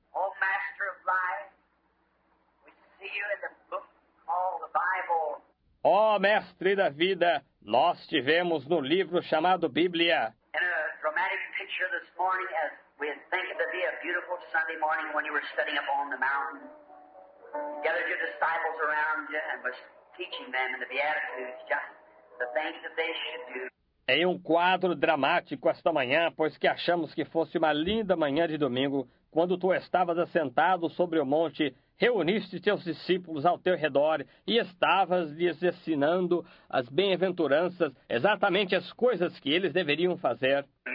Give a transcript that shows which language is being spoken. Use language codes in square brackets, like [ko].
[en] Ó, Master of Life, we see you in the book called the Bible. [pt] Ó, Mestre da Vida, nós te vemos no livro chamado Bíblia. [en] In a dramatic picture this morning as we had think it would be a beautiful Sunday morning when you were studying up on the mountain. You gathered your disciples around you and was teaching them in the Beatitudes just the things that they should do. [pt] Em um quadro dramático esta manhã, pois que achamos que fosse uma linda manhã de domingo, quando tu estavas assentado sobre o monte, reuniste teus discípulos ao teu redor e estavas lhes ensinando as bem-aventuranças, exatamente as coisas que eles deveriam fazer.